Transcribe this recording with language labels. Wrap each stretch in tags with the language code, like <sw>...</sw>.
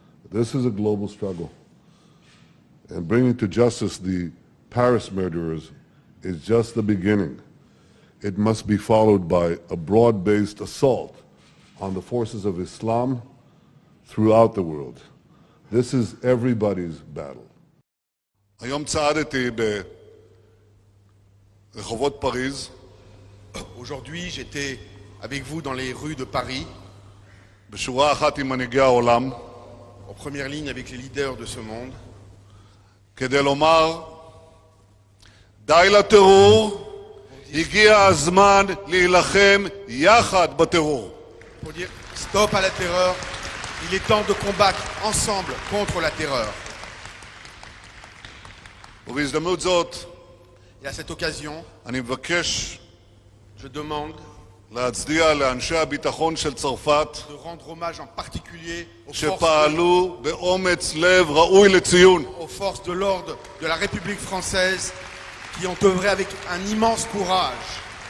<en>This is a global struggle. And bringing to justice the Paris murderers is just the beginning. It must be followed by a broad-based assault on the forces of Islam throughout the world. This is everybody's battle.</en> <he>היום צעדתי ברחובות פריז.</he> <fr>Aujourd'hui, j'étais avec vous dans les rues de Paris.</fr> <he>בשורה אחת עם מנהיגי העולם.</he> <fr>En première ligne avec les leaders de ce monde.</fr> <he>כדי לומר, די לטרור. הגיע הזמן להילחם יחד בטרור.</he> <fr>Pour dire stop à la terreur, il est temps de combattre ensemble contre la terreur.</fr> <he>ובהזדמנות זאת,</he> <fr>et à cette occasion,</fr> <he>אני מבקש,</he> <fr>je demande,</fr> <he>להצדיע לאנשי הביטחון של צרפת,</he> <fr>de rendre hommage en particulier aux</fr> <he>שפעלו באומץ לב ראוי לציון,</he> <fr>aux forces de l'ordre de la République française, qui ont œuvré avec un immense courage.</fr>